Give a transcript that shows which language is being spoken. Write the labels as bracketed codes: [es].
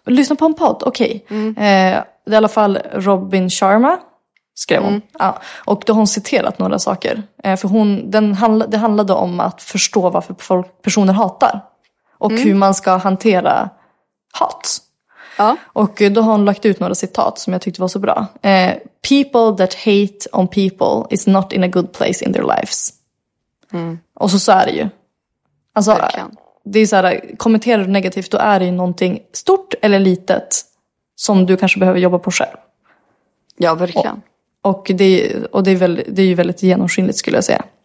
[sv] Lyssnat på en podd, okej. Okay. Det är i alla fall Robin Sharma skrev hon. Mm. Ja. Och då har hon citerat några saker. För hon, det handlade om att förstå varför personer hatar. Och hur man ska hantera hat. Ja. Och då har hon lagt ut några citat som jag tyckte var så bra. [en] People that hate on people is not in a good place in their lives. Mm. [sv] Och så är det ju. Alltså, det är så här, kommenterar du negativt, då är det ju någonting stort eller litet som du kanske behöver jobba på själv. Ja, verkligen. Och det är ju väldigt genomskinligt skulle jag säga.